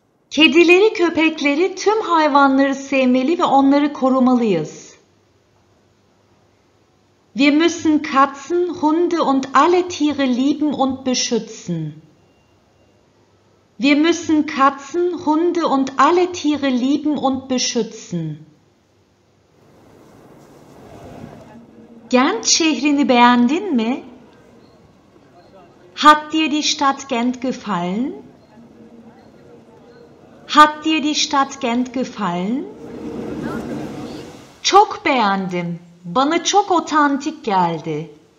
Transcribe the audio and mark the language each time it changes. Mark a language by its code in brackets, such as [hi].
[tr] Kedileri, köpekleri, tüm hayvanları sevmeli ve onları korumalıyız. [de] Wir müssen Katzen, Hunde und alle Tiere lieben und beschützen. Wir müssen Katzen, Hunde und alle Tiere lieben und beschützen. [tr] Gent şehrini beğendin mi? [de] Hat dir die Stadt Gent gefallen? Hat dir die Stadt Gent gefallen? [tr] Çok beğendim. Bana çok otantik geldi.